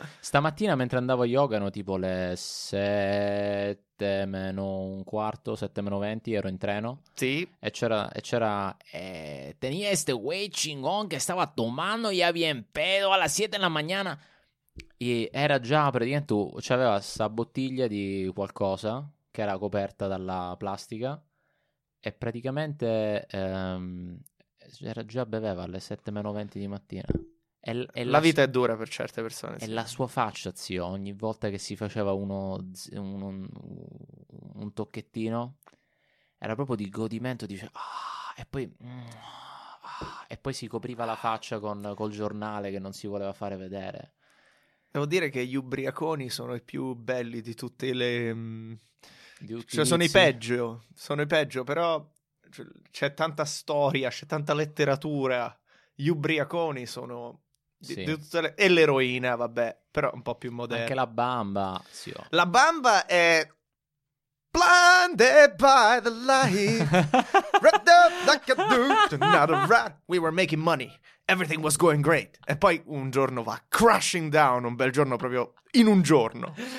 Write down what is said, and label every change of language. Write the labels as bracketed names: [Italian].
[Italian] Stamattina mentre andavo a yoga, erano tipo le 7:15, 7:20, ero in treno. Sì. E c'era... [Spanish] tenía este güey chingón que estaba tomando ya bien pedo a las 7 de la mañana. [Italian] E era già praticamente, c'aveva sta bottiglia di qualcosa che era coperta dalla plastica e praticamente era già beveva alle 7:20 di mattina. La vita è dura per certe persone. E sì. La sua faccia, zio, ogni volta che si faceva un tocchettino, era proprio di godimento, dice, e poi si copriva la faccia col giornale che non si voleva fare vedere. Devo dire che gli ubriaconi sono i più belli di tutte le... Cioè sono i peggio, però c'è tanta storia, c'è tanta letteratura. Gli ubriaconi sono... Sì. Di tutte le... E l'eroina, vabbè, però un po' più moderna. Anche la bamba, sì. La bamba è... [English] Blinded by the light, wrapped up like a dude, not a rat. We were making money. Everything was going great. [Italian] E poi un giorno va [English] crashing down, [Italian] un bel giorno proprio in un giorno.